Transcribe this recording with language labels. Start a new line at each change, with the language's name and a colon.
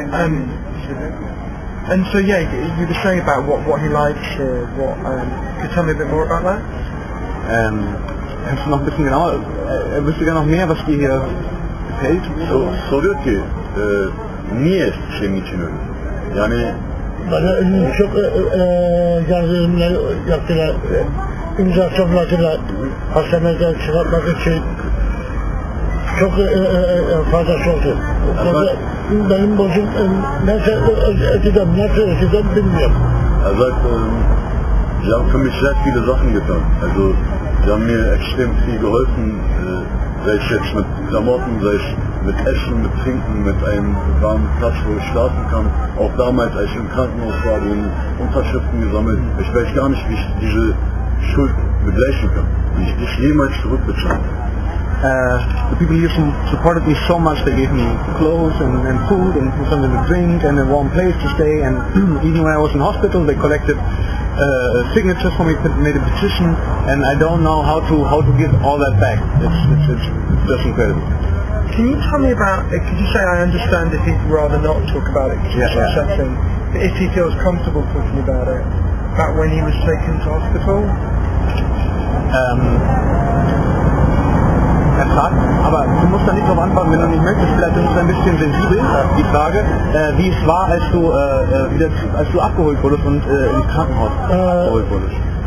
English: And so yeah, you were saying about what he likes. Could you tell me a bit more about that?
German: Kannst du noch ein bisschen genauer? Wisst ihr noch mehr, was dir hier gefällt?
Turkish: So, soruyor ki, niye senin için öyle? Yani... Bana çok yardımlar yaptılar, imza topladılar, hastaneden çıkartmak için çok fazla oldu. Benim bozum, nasıl ödedim bilmiyorum.
German: Azak, sie haben für mich sehr viele Sachen getan. Also, sie haben mir extrem viel geholfen, sei es jetzt mit Klamotten, sei es mit Essen, mit Trinken, mit einem warmen Platz, wo ich schlafen kann. Auch damals, als ich im Krankenhaus war, die Unterschriften gesammelt. Ich weiß gar nicht, wie ich diese Schuld begleichen kann, wie ich dich jemals zurückbezahlen kann.
English: The people here supported me so much. They gave me clothes and food and something to drink and a warm place to stay. And even when I was in hospital, they collected signatures for me, made a petition. And I don't know how to give all that back. It's just incredible. Can you tell me about? Could you say I understand if he'd rather not talk about it? Yeah. If he feels comfortable talking about when he was taken to hospital.
German: Er fragt, aber du musst da nicht drauf antworten, wenn du nicht möchtest, vielleicht ist es ein bisschen sensibel, die Frage, wie es war, als du abgeholt wurdest und im Krankenhaus abgeholt wurdest.